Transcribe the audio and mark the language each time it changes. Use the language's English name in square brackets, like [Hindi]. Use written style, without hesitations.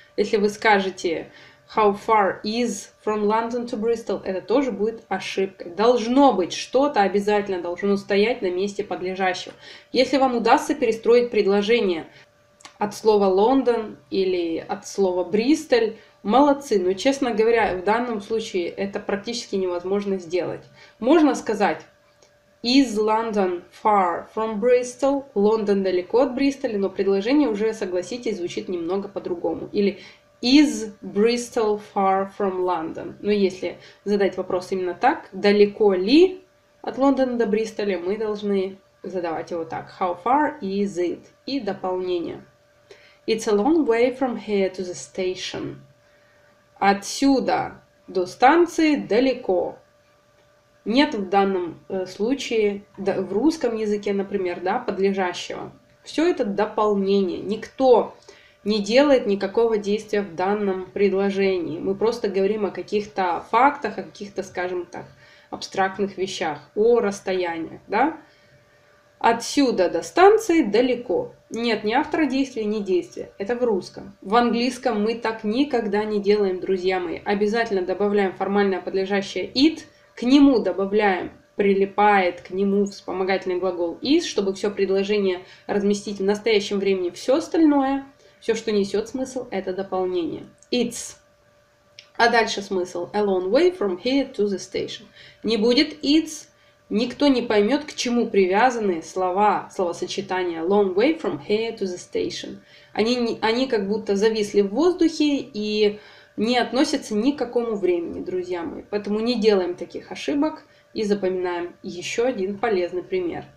[Russian] Если вы скажете [English] how far is from London to Bristol, [Russian] это тоже будет ошибкой. Должно быть что-то, обязательно должно стоять на месте подлежащего. Если вам удастся перестроить предложение от слова London или от слова Bristol, молодцы, но, честно говоря, в данном случае это практически невозможно сделать. Можно сказать [English] is London far from Bristol? [Russian] Лондон далеко от Бристоля, но предложение уже, согласитесь, звучит немного по-другому. Или [English] is Bristol far from London? [Russian] Но если задать вопрос именно так, далеко ли от Лондона до Бристоля, мы должны задавать его так. [English] How far is it? [Russian] И дополнение. [English] It's a long way from here to the station. [Russian] Отсюда до станции далеко. Нет в данном случае, да, в русском языке, например, да, подлежащего. Все это дополнение. Никто не делает никакого действия в данном предложении. Мы просто говорим о каких-то фактах, о каких-то, скажем так, абстрактных вещах, о расстояниях, да? Отсюда до станции далеко. Нет, не автора действия, не действия. Это в русском. В английском мы так никогда не делаем, друзья мои. Обязательно добавляем формальное подлежащее it. К нему добавляем, прилипает к нему вспомогательный глагол is, чтобы все предложение разместить в настоящем времени. Все остальное, все, что несет смысл, это дополнение. [English] It's. [Russian] А дальше смысл. [English] A long way from here to the station. [Russian] Не будет [English] it's. [Russian] Никто не поймет, к чему привязаны слова, словосочетания [English] long way from here to the station. [Russian] Они как будто зависли в воздухе и не относятся ни к какому времени, друзья мои. Поэтому не делаем таких ошибок и запоминаем еще один полезный пример.